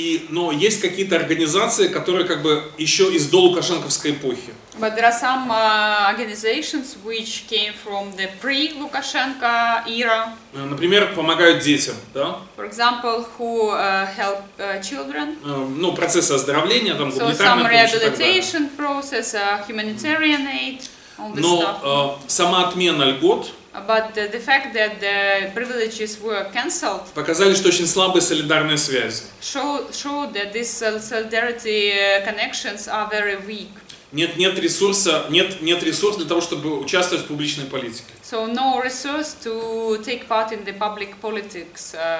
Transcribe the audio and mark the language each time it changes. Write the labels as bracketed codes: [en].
[ru] Но есть какие-то организации, которые как бы еще из до лукашенковской эпохи. [en] But there are some organizations which came from the pre-Lukashenko era. [ru] Например, помогают детям, да? [en] For example, who help children. [ru] Ну, процессы оздоровления, там, гуманитарная помощь. [en] So some rehabilitation process, humanitarian aid, all this stuff. [ru] Но сама отмена льгот. [en] But the fact that the privileges were cancelled [ru] показали, что очень слабые солидарные связи. [en] Showed that these solidarity connections are very weak. [ru] Нет ресурса для того, чтобы участвовать в публичной политике. [en] So no resource to take part in the public politics.